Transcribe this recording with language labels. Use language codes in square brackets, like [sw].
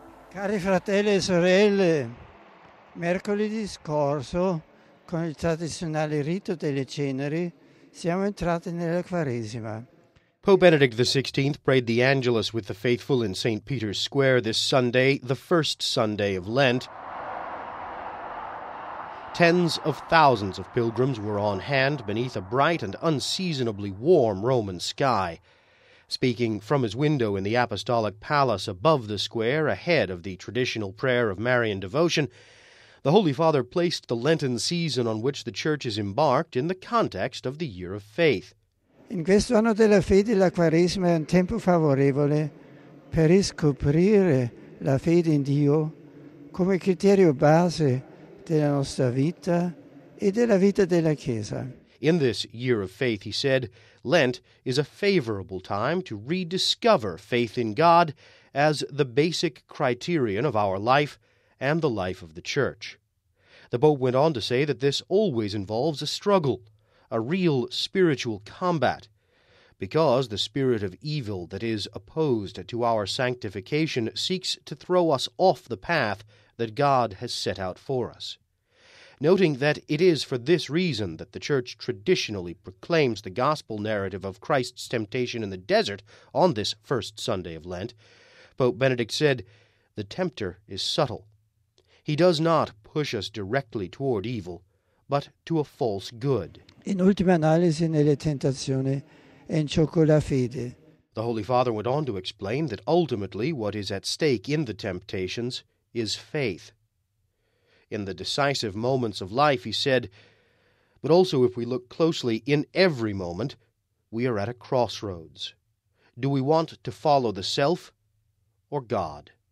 [it] Cari fratelli e sorelle, mercoledì scorso, con il tradizionale rito delle ceneri, siamo entrati nella Quaresima. [en] Pope Benedict XVI prayed the Angelus with the faithful in St. Peter's Square this Sunday, the first Sunday of Lent. Tens of thousands of pilgrims were on hand beneath a bright and unseasonably warm Roman sky. Speaking from his window in the Apostolic Palace above the square, ahead of the traditional prayer of Marian devotion, the Holy Father placed the Lenten season on which the Church is embarked in the context of the Year of Faith. [it] In questo anno della fede la Quaresima è un tempo favorevole per riscoprire la fede in Dio come criterio base della nostra vita e della vita della Chiesa. [en] In this year of faith, he said, Lent is a favorable time to rediscover faith in God as the basic criterion of our life and the life of the Church. The Pope went on to say that this always involves a struggle, a real spiritual combat, because the spirit of evil that is opposed to our sanctification seeks to throw us off the path that God has set out for us. Noting that it is for this reason that the Church traditionally proclaims the gospel narrative of Christ's temptation in the desert on this first Sunday of Lent, Pope Benedict said, "The tempter is subtle. He does not push us directly toward evil, but to a false good." [it] In ultima analisi, nelle tentazioni è in ciò con la fede. [en] The Holy Father went on to explain that ultimately what is at stake in the temptations is faith. In the decisive moments of life, he said, but also if we look closely, in every moment, we are at a crossroads. Do we want to follow the self or God?